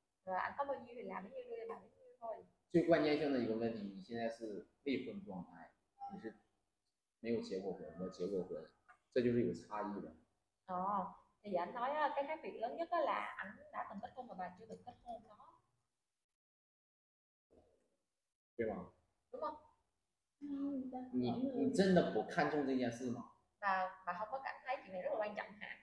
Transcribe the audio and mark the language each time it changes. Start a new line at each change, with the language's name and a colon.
Vietnamese: Rồi anh có bao nhiêu thì làm bao nhiêu, đưa cho bà bao nhiêu thôi.
Chinese: 最关键性的一个问题，你现在是未婚状态，你是没有结过婚，没结过婚，这就是有差异的。
Vietnamese: 哦，thì anh nói cái khác biệt lớn nhất đó là anh đã từng kết hôn và bà chưa từng kết hôn đó. Đúng không? Đúng không?
Chinese: 你真的不看重这件事吗？那好不感慨，今天让我讲哈。